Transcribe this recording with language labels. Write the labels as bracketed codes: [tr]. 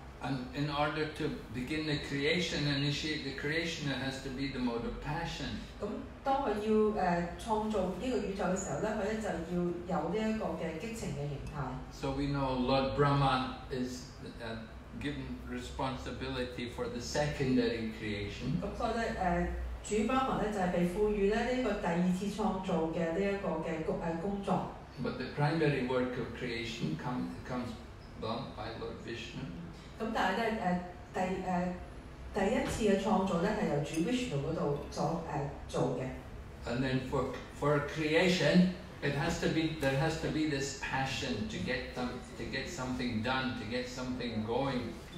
[en] And in order to begin the creation, initiate the creation, there has to be the mode of passion. [yue] 當佢要創造呢個宇宙嘅時候咧，佢咧就要有呢一個嘅激情嘅形態。 [en] So we know Lord Brahma is given responsibility for the secondary creation. [yue] 咁所以咧，主巴文咧就係被賦予咧呢個第二次創造嘅呢一個嘅工作。 [en] But the primary work of creation comes by Lord Vishnu. [yue] 咁但係咧，第一次嘅創造咧係由主 Vishnu 嗰度做嘅。 [en] And then for creation, there has to be this passion to get something done, to get something going.